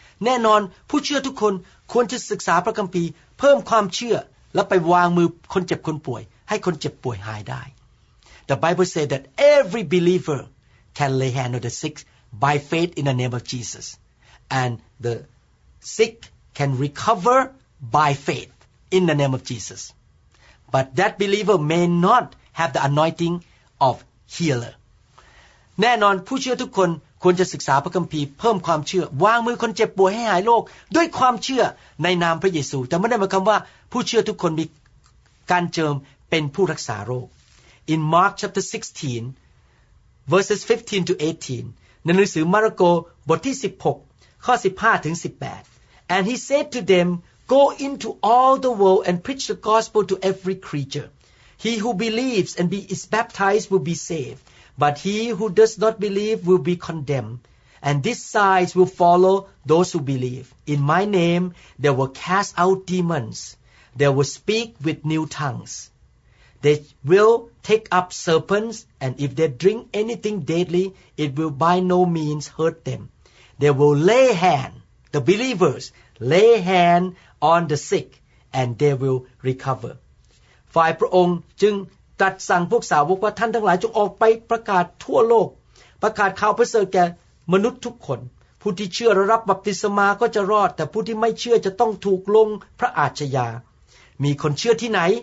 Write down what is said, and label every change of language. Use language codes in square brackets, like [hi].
[th] แน่นอนผู้เชื่อทุกคนควรจะศึกษาพระคัมภีร์เพิ่มความเชื่อและไปวางมือคนเจ็บคนป่วยให้คนเจ็บป่วยหายได้ [en] The Bible says that every believer can lay hand on the sick by faith in the name of Jesus, and the sick can recover by faith in the name of Jesus. But that believer may not have the anointing of healer. [th] แน่นอนผู้เชื่อทุกคนควรจะศึกษาพระคัมภีร์เพิ่มความเชื่อวางมือคนเจ็บป่วยให้หายโรคด้วยความเชื่อในนามพระเยซูแต่ไม่ได้หมายความว่าผู้เชื่อทุกคนมี การเจิมเป็นผู้รักษาโรค [en] In Mark chapter 16 verses 15 to 18 [th] ในหนังสือมาระโกบทที่16ข้อ15ถึง18 [en] And he said to them go into all the world and preach the gospel to every creature he who believes and is baptized will be savedBut he who does not believe will be condemned, and these signs will follow those who believe. In my name, they will cast out demons. They will speak with new tongues. They will take up serpents, and if they drink anything deadly, it will by no means hurt them. They will lay hand, the believers, lay hand on the sick, and they will recover. [th] ฝ่ายพระองค์จึงตัดสั่งพวกสาวกว่าท่านทั้งหลายจงออกไปประกาศทั่วโลกประกาศข่าวประเสริฐแก่มนุษย์ทุกคนผู้ที่เชื่อและรับบัพติศมาก็จะรอดแต่ผู้ที่ไม่เชื่อจะต้องถูกลงพระอาชญามีคนเชื่อที่ไหน